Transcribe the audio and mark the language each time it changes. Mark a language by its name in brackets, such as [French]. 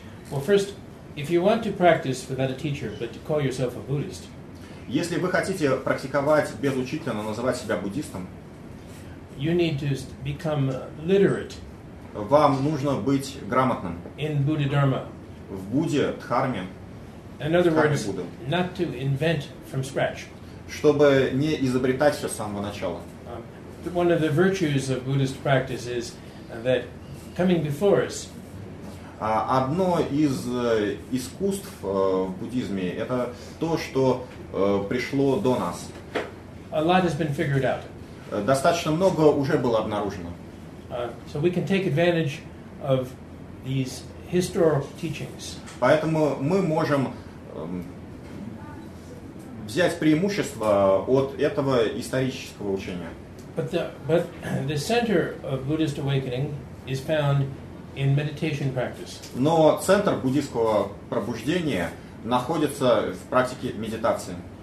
[English] Well, first, if you want to practice without a teacher, but to call yourself a Buddhist, [Russian] если вы хотите практиковать без учителя, но называть себя буддистом, [English] you need to become literate. [Russian] Вам нужно быть грамотным. [English] In Buddha Dharma. [Russian] В Будде, Дхарме. [English] In other words, not to invent from scratch. [Russian] Чтобы не изобретать все с самого начала. [English] One of the virtues of Buddhist practice is that coming before us. [Russian] Одно из искусств в буддизме – это то, что пришло до нас. [English] A lot has been figured out. [Russian] Достаточно много уже было обнаружено. [English] So we can take advantage of these historical teachings. [Russian] Поэтому мы можем взять преимущество от этого исторического учения. [English] But the center of Buddhist awakening is found in meditation practice. [Russian] Но центр буддийского пробуждения находится в практике медитации.